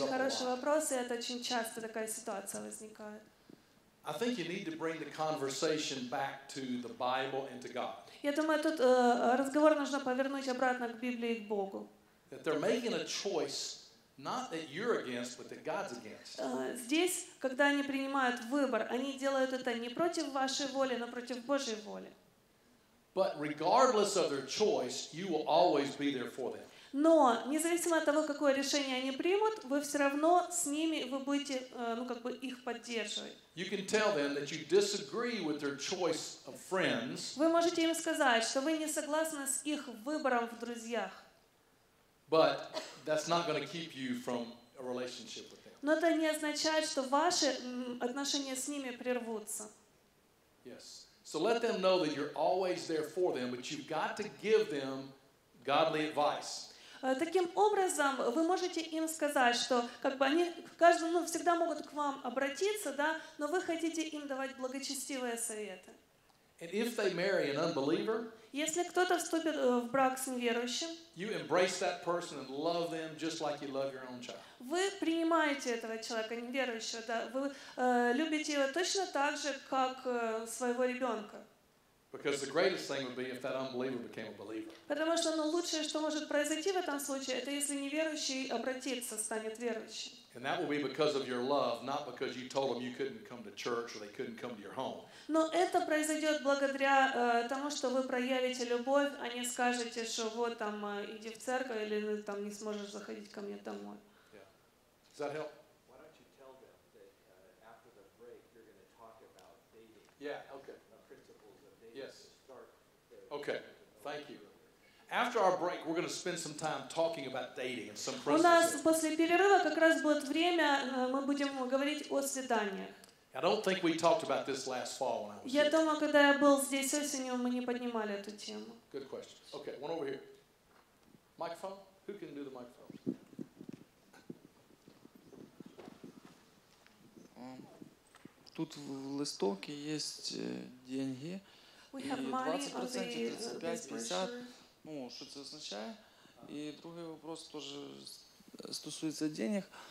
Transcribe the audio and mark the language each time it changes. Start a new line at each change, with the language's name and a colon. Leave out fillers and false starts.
Russian: up хороший вопрос, и это очень часто такая ситуация возникает.
English: I think you need to bring the conversation back to the Bible and to God.
Russian: Я думаю, тут разговор нужно повернуть обратно к Библии и к Богу.
English: That they're making a choice, not that you're against, but that God's against.
Russian: Здесь, когда они принимают выбор, они делают это не против вашей воли, но против Божьей воли.
English: But regardless of their choice, you will always be there for them.
Russian: Но независимо от того, какое решение они примут, вы все равно с ними, вы будете, ну, как бы их поддерживать. Вы можете им сказать, что вы не согласны с их выбором в друзьях. Но это не означает, что ваши отношения с ними прервутся.
English: Yes. So let them know that you're always there for them, but you've got to give them godly advice.
Russian: Таким образом, вы можете им сказать, что как бы они каждый, ну, всегда могут к вам обратиться, да, но вы хотите им давать благочестивые советы.
English: And if they marry an unbeliever,
Russian: если кто-то вступит в брак с неверующим,
English: you embrace that person and love them just like you love your own child.
Russian: Вы принимаете этого человека неверующего, да, вы любите его точно так же, как своего ребенка.
English: Because the greatest thing would be if that unbeliever became a believer.
Russian: Потому что оно лучшее, что может произойти в этом случае, это если неверующий обратится, станет верующим.
English: And that will be because of your love, not because you told them you couldn't come to church or they couldn't come to your home.
Russian: Но это произойдет благодаря тому, что вы проявите любовь, а не скажете, что вот там иди в церковь или там не сможешь заходить ко мне домой.
English: Does that help? Why don't you tell them that after the break you're going to talk about dating? Yeah. Okay. Yes. Okay. Thank you. After our break, we're going to spend some time talking about dating and some
Russian: principles. У нас после перерыва как раз будет время, мы будем говорить о свиданиях.
English: I don't think we talked about this last fall when I was here.
Russian: Я думаю, когда я был здесь осенью, мы не поднимали эту тему.
English: Good question. Okay, one over here. Microphone? Who can do the microphone?
Russian: Тут в листовке есть деньги.
English: We have money on the 25%.
Ukrainian: Ну, що це означає? І другий вопрос теж стосується денег.